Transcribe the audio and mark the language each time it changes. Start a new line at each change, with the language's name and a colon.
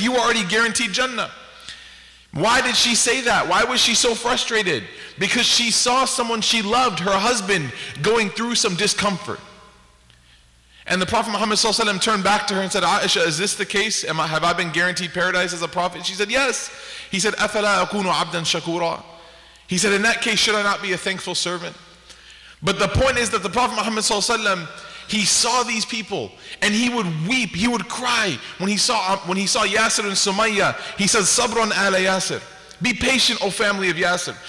English: You already guaranteed Jannah. Why did she say that? Why was she so frustrated? Because she saw someone she loved, her husband, going through some discomfort. And the Prophet Muhammad ﷺ turned back to her and said, Aisha, is this the case? Have I been guaranteed paradise as a prophet? She said, yes. He said,
Arabic: أَفَلَا أَكُونُ عَبْدًا شَكُورًا?
English: He said, in that case, should I not be a thankful servant? But the point is that the Prophet Muhammad ﷺ, he saw these people and he would weep, he would cry when he saw Yasir and Sumayya. He said,
Arabic: صَبْرًا عَلَى
English: Yasir. Be patient, O family of Yasir.